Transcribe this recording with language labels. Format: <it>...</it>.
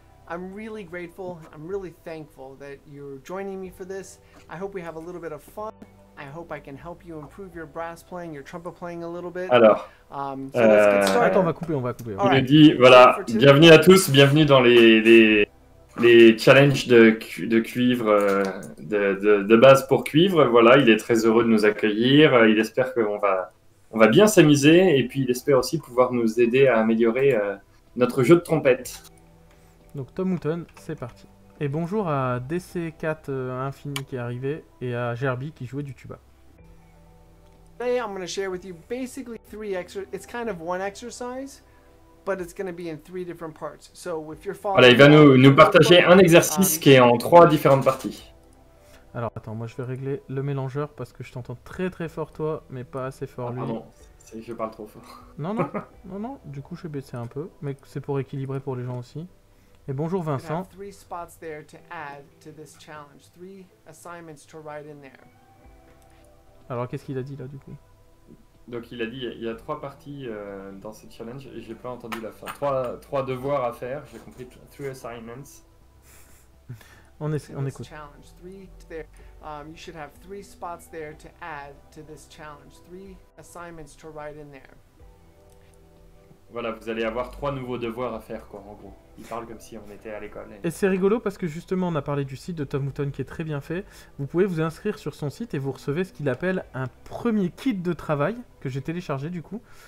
<en>I'm really grateful, I'm really thankful that you're joining me for this. I hope we have a little bit of fun. I hope I can help you improve your brass playing, your trumpet playing a little bit.</en> <fr>Alors, attends, on va couper. Il nous dit, voilà, bienvenue à tous, bienvenue dans les challenges de cuivre, de basse pour cuivre. Voilà, il est très heureux de nous accueillir. Il espère qu'on va bien s'amuser et puis il espère aussi pouvoir nous aider à améliorer notre jeu de trompette. Donc Tom Houghton, c'est parti. Et bonjour à DC4 Infini qui est arrivé et à Gerby qui jouait du tuba.</fr> <en>Today I'm going to share with you basically three exercises. It's kind of one exercise, but it's going to be in three different parts. So if you're following.</en> <fr>Voilà, il va nous partager un exercice qui est en trois différentes parties. Alors attends, moi je vais régler le mélangeur parce que je t'entends très très fort toi, mais pas assez fort lui. Ah, pardon, c'est, je parle trop fort. Non. Du coup, je vais baisser un peu, mais c'est pour équilibrer pour les gens aussi. Et bonjour Vincent.</fr> <en>Three spots there to add to this challenge. Three assignments to write in there.</en> <fr>Alors qu'est-ce qu'il a dit là du coup? Donc il a dit, il y a trois parties dans ce challenge et j'ai pas entendu la fin. Trois devoirs à faire, j'ai compris.</fr> <en>Three assignments.</en> <fr>On écoute.</fr> <en>Challenge. Three there. You should have three spots there to add to this challenge. Three assignments to write in there.</en> <fr>Voilà, vous allez avoir trois nouveaux devoirs à faire, quoi, en gros. Il parle comme si on était à l'école. Et c'est rigolo parce que justement, on a parlé du site de Tom Hooton qui est très bien fait. Vous pouvez vous inscrire sur son site et vous recevez ce qu'il appelle un premier kit de travail que j'ai téléchargé, du coup.</fr>